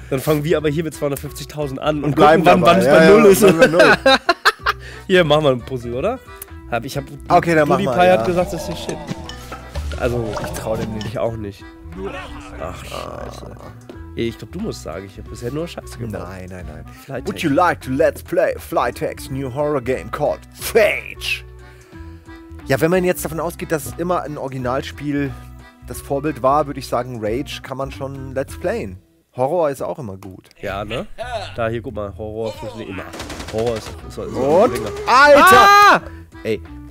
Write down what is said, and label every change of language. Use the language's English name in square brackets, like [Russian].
[German] Dann fangen wir aber hier mit 250.000 an und bleiben gucken, wann es bei null ist. Hier, machen wir ein Puzzle, oder? Okay, dann machen wir. Pai hat gesagt, das ist hier Shit. Also, ich trau dem nicht. Ich auch nicht. Ach, Scheiße. Ich glaube, du musst sagen, ich habe bisher nur Scheiße gemacht. Nein. Flytex. [English] Would you like to let's play Flytek's new horror game called Phage? [German] Ja, wenn man jetzt davon ausgeht, dass es immer ein Originalspiel... das Vorbild war, würde ich sagen, Rage kann man schon let's playen. Horror ist auch immer gut. Ja, ne? Da, hier, guck mal, Horror funktioniert immer. Horror ist so ein und? Alter! Ah! Ey.